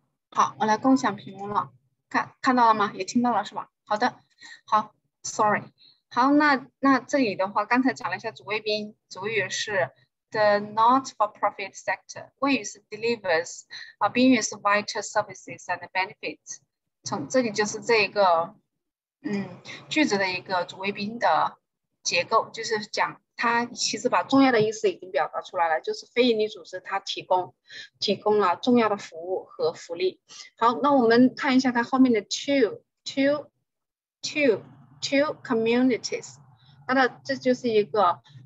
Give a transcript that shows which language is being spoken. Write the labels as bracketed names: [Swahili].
[Chinese] 好，我来共享屏幕了。看到了吗？也听到了是吧？好的，好 ，Sorry。好，那这里的话，刚才讲了一下主谓宾，主语是。 [English] The not-for-profit sector, which delivers business vital services and benefits. [Chinese] 从这里就是这一个，句子的一个主谓宾的结构，就是讲它其实把重要的意思已经表达出来了，就是非营利组织它提供了重要的服务和福利。好，那我们看一下它后面的 [English] two communities， [Chinese] 那这就是一个。